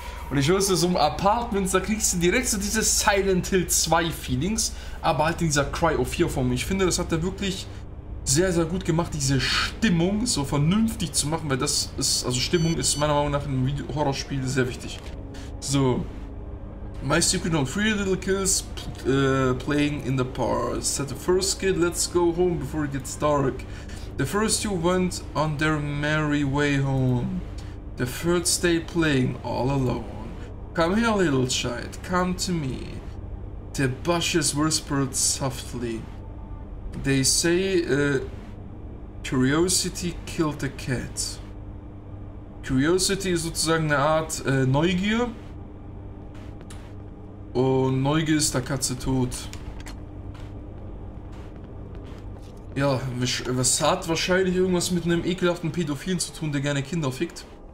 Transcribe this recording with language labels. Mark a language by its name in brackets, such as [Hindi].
[German] Und ich wusste, so ein Apartment, da kriegst du direkt so dieses Silent Hill 2 Feelings, aber halt in dieser Cry of 4 Form. Ich finde, das hat er wirklich sehr, sehr gut gemacht, diese Stimmung so vernünftig zu machen, weil das ist, also Stimmung ist meiner Meinung nach in einem Video Horrorspiel sehr wichtig. So. [English] My secret on three little kids playing in the park, said the first kid, let's go home before it gets dark. The first two went on their merry way home. The third stayed playing all alone. Come here, little child, come to me. The bushes whispered softly. They say curiosity killed the cat. [German] Curiosity ist sozusagen eine Art Neugier. Und Neugier ist der Katze tot. Ja, was hat wahrscheinlich irgendwas mit einem ekelhaften Pädophilen zu tun, der gerne Kinder fickt?